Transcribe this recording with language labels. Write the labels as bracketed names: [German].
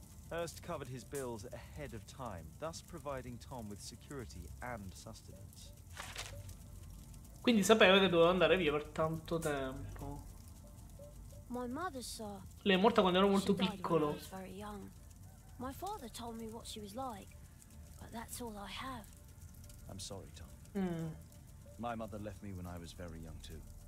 [English] Hurst covered his bills ahead of time, thus providing Tom with security and sustenance. [Italian] Quindi sapeva che doveva andare via per tanto tempo. [English] My mother, sir. [Italian] Lei è morta quando ero molto piccolo. [English] My father told me what she was like, but that's all I have. I'm sorry, Tom. Mm. My mother left me when I was very young too.